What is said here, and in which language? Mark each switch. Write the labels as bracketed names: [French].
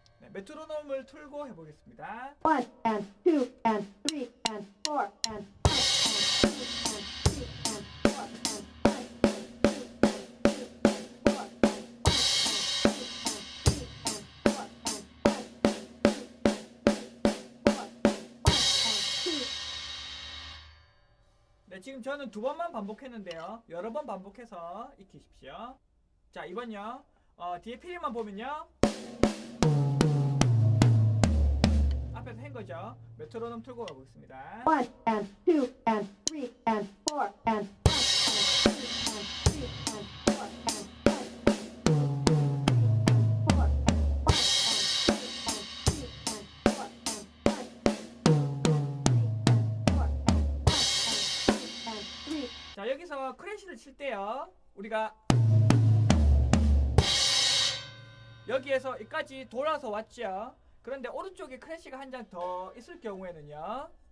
[Korean] 메트로놈을 틀고 해보겠습니다. [English] 1 and 2 and 3 and 4 and 5 and 6 and 7 and 8 and 9 and 10 and 11 and 12 and 13 and 14 and 15 and 16 and 17 and 18 and 19 and 20 and 21 and 22 and 23. [Korean] 네, 지금 저는 두 번만 반복했는데요. 여러 번 반복해서 익히십시오. 자, 이번요. 뒤에 피리만 보면요. 앞에서 한 거죠. 메트로놈 틀고 가보겠습니다. [English] 1 and 2 and 3 and 4 and 5 and 6 and 7 and 8 and 9 and 10 and 4 and 5 and 6 and 7 and 4 and 5 and 6 and 4 and 5 and 6 and 7 and 3. [Korean] 자, 여기서 크래쉬를 칠 때요. 우리가 여기에서 여기까지 돌아서 왔죠. 그런데 오른쪽에 크래쉬가 한 장 더 있을 경우에는요.